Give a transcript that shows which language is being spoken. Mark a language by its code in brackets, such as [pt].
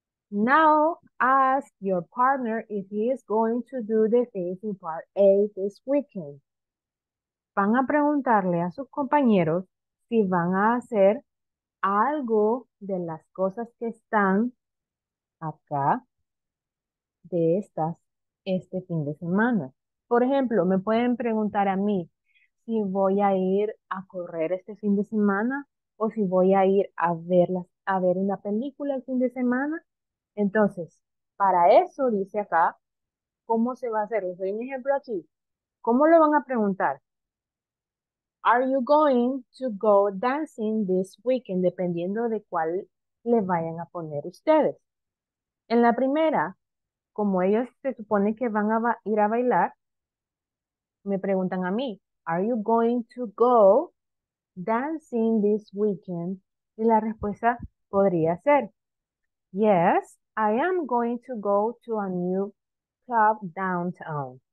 [en] Now ask your partner if he is going to do the facing part A this weekend. [es] Van a preguntarle a sus compañeros si van a hacer algo de las cosas que están acá de estas este fin de semana. Por ejemplo, me pueden preguntar a mí si voy a ir a correr este fin de semana o si voy a ir a ver una película el fin de semana. Entonces, para eso dice acá, ¿cómo se va a hacer? Les doy un ejemplo aquí. ¿Cómo lo van a preguntar? [en] Are you going to go dancing this weekend? [es] Dependiendo de cuál le vayan a poner ustedes. En la primera, como ellos se supone que van a ba ir a bailar, me preguntan a mí, [en] "Are you going to go dancing this weekend?" [es] Y la respuesta podría ser, [en] "Yes, I am going to go to a new club downtown."